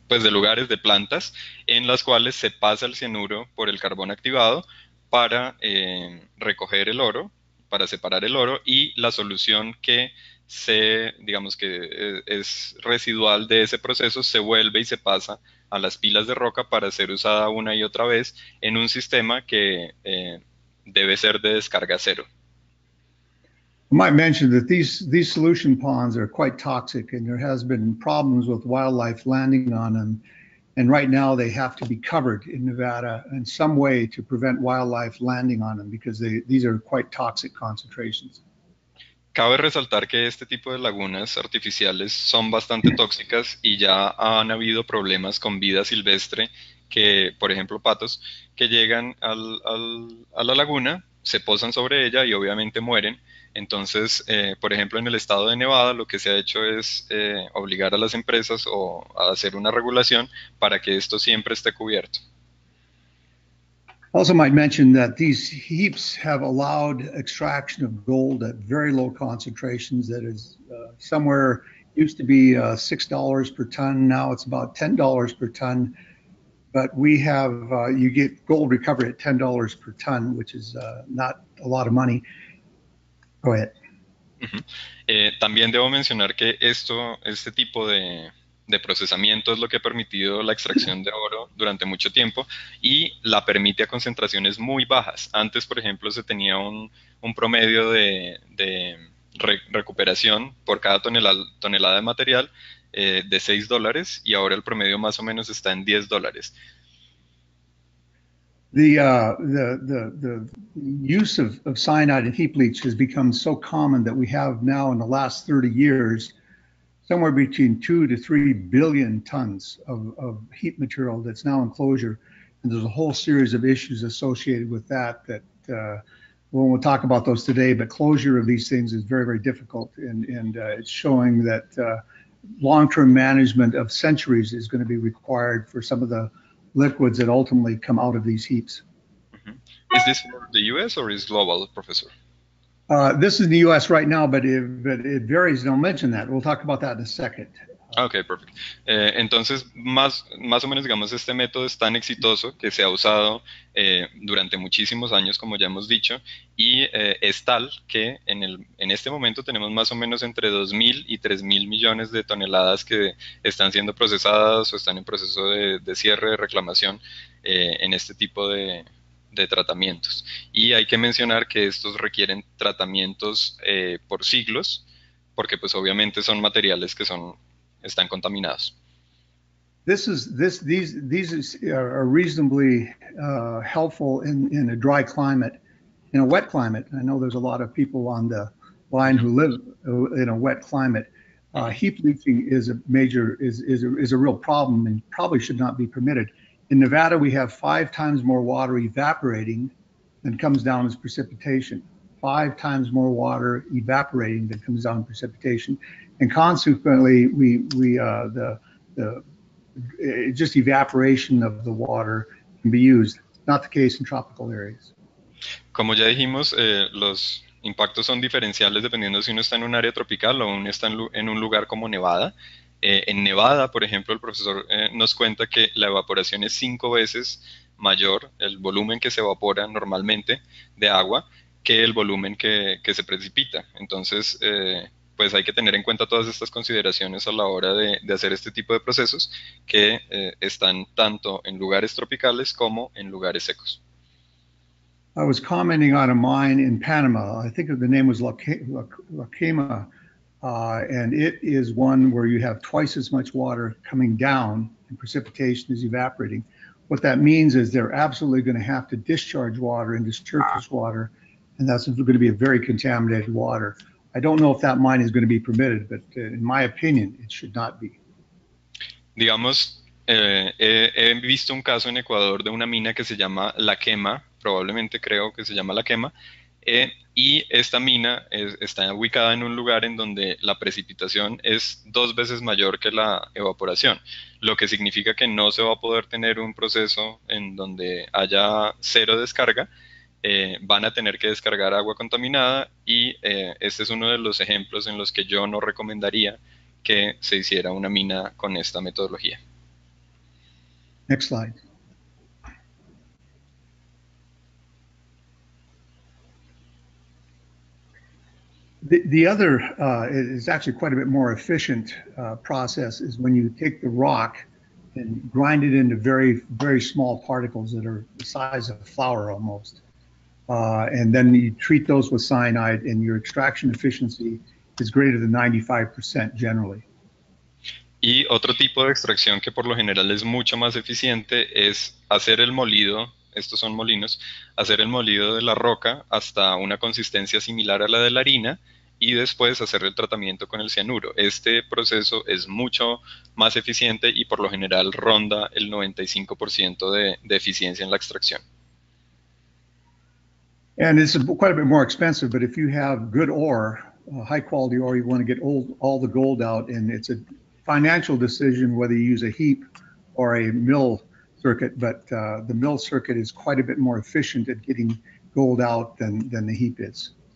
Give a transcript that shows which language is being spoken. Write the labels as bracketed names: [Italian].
[Spanish] lugares, de plantas, en las cuales se pasa el cianuro por el carbón activado para recoger el oro, para separar el oro, y la solución que digamos que es residual de ese proceso, se vuelve y se pasa a las pilas de roca para ser usada una y otra vez en un sistema que debe ser de descarga cero. [English] I might mention that these solution ponds are quite toxic, and there has been problems with wildlife landing on them. And right now, they have to be covered in Nevada in some way to prevent wildlife landing on them because these are quite toxic concentrations. [Spanish] Cabe resaltar que este tipo de lagunas artificiales son bastante tóxicas y ya han habido problemas con vida silvestre, que, por ejemplo, patos que llegan a la laguna, se posan sobre ella y obviamente mueren. Entonces, por ejemplo, en el estado de Nevada lo que se ha hecho es obligar a las empresas o a hacer una regulación para que esto siempre esté cubierto. [English] Also might mention that these heaps have allowed extraction of gold at very low concentrations. That is somewhere used to be $6 per ton. Now it's about $10 per ton. But we have you get gold recovery at $10 per ton, which is not a lot of money. Go ahead. [Spanish] También debo mencionar que este tipo de procesamiento es lo que ha permitido la extracción de oro durante mucho tiempo y la permite a concentraciones muy bajas. Antes, por ejemplo, se tenía un promedio de recuperación por cada tonelada de material de $6 y ahora el promedio más o menos está en $10. [English] The use of cyanide and heap leach has become so common that we have now in the last 30 years somewhere between 2 to 3 billion tons of heap material that's now in closure. And there's a whole series of issues associated with that we'll talk about those today, but closure of these things is very, very difficult, and it's showing that long-term management of centuries is going to be required for some of the liquids that ultimately come out of these heaps. Is this for the US or is global, Professor? This is in the US right now, but it varies, and I'll mention that. We'll talk about that in a second. [Spanish] Okay, perfecto. Entonces, más o menos, digamos, este método es tan exitoso que se ha usado durante muchísimos años, como ya hemos dicho, y es tal que en este momento tenemos más o menos entre 2.000 y 3.000 millones de toneladas que están siendo procesadas o están en proceso de cierre de reclamación en este tipo de tratamientos. Y hay que mencionar que estos requieren tratamientos por siglos, porque pues obviamente son materiales que están contaminados. [English] This is this these these is, are reasonably helpful in a dry climate, in a wet climate. I know there's a lot of people on the line who live in a wet climate. Heap leaching is a major is a real problem and probably should not be permitted. In Nevada, we have 5 times more water evaporating than comes down as precipitation. 5 times more water evaporating than comes down in precipitation, and consequently, the just evaporation of the water can be used. Not the case in tropical areas. [Spanish] Como ya dijimos, los impactos son diferenciales dependiendo si uno está en un área tropical o uno está en un lugar como Nevada. En Nevada, por ejemplo, el profesor nos cuenta que la evaporación es 5 veces mayor, el volumen que se evapora normalmente de agua, que el volumen que se precipita. Entonces, pues hay que tener en cuenta todas estas consideraciones a la hora de hacer este tipo de procesos que están tanto en lugares tropicales como en lugares secos. [English] I was commenting on a mine in Panama. I think the name was La Quema, and it is one where you have twice as much water coming down and precipitation is evaporating. What that means is they're absolutely going to have to discharge water into surface water, and that's going to be a very contaminated water. I don't know if that mine is going to be permitted, but in my opinion, it should not be. [Spanish] Digamos, he visto un caso en Ecuador de una mina que se llama La Quema, probablemente creo que se llama La Quema, Y esta mina está ubicada en un lugar en donde la precipitación es dos veces mayor que la evaporación, lo que significa que no se va a poder tener un proceso en donde haya cero descarga. Van a tener que descargar agua contaminada y este es uno de los ejemplos en los que yo no recomendaría que se hiciera una mina con esta metodología. [English] Next slide. The other is actually quite a bit more efficient process is when you take the rock and grind it into very, very small particles that are the size of a flour almost. And then you treat those with cyanide, and your extraction efficiency is greater than 95% generally. [Spanish] Y otro tipo de extracción que por lo general es mucho más eficiente es hacer el molido, estos son molinos, hacer el molido de la roca hasta una consistencia similar a la de la harina y después hacer el tratamiento con el cianuro. Este proceso es mucho más eficiente y por lo general ronda el 95% de eficiencia en la extracción. [English] And it's quite a bit more expensive, but if you have good ore, high quality ore, you want to get all the gold out, and it's a financial decision whether you use a heap or a mill circuit. But the mill circuit is quite a bit more efficient at getting gold out than the heap is.